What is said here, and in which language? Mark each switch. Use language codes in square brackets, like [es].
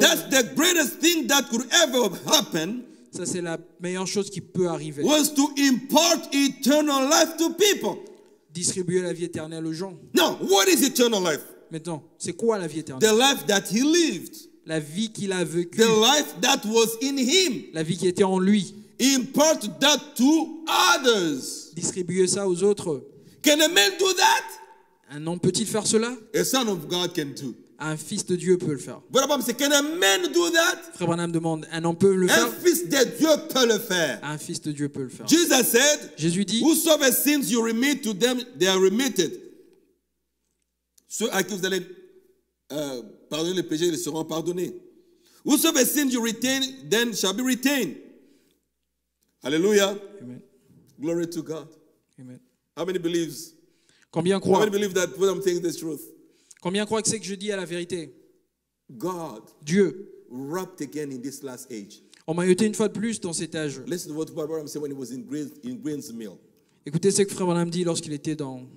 [en] That's the greatest thing that could ever happen. [fr] Ça, c'est la meilleure chose qui peut arriver. [en] Was to impart eternal life to people. [fr] Distribuer la vie éternelle aux gens. [en] Now, what is eternal life? [fr] Maintenant, c'est quoi la vie éternelle? [en] The life that he lived. [fr] La vie qu'il a vécue. [en] The life that was in him. [fr] La vie qui était en lui. [en] Impart that to others. [fr] Distribuer ça aux autres. [en] Can a man do that? [fr] Un homme peut-il faire cela? [en] A son of God can do. [fr] Un fils de Dieu peut le faire. [en] Can a man do that? [fr] Frère Branham demande, un homme peut le un faire? Un fils de Dieu peut le faire. Un fils de Dieu peut le faire. [en] Jesus said, [fr] Jésus dit, [en] whosoever sins you remit to them, they are remitted. [fr] Ceux à qui vous allez pardonner les péchés, ils seront pardonnés. [en] Whosoever sins you retain, then shall be retained. Alléluia. Amen. Glory to God. Amen. How many believes? [fr] Combien croient? [en] How many believe that Branham thinks the truth? [fr] Combien croient que c'est que je dis à la vérité? [en] God, [fr] Dieu, [en] wrapped again in this last age. [fr] On m'a jeté une fois de plus dans cet âge. [en] Listen to what Brother Branham said when he was in Green's Mill. [fr] Écoutez ce que Frère Branham dit lorsqu'il était dans.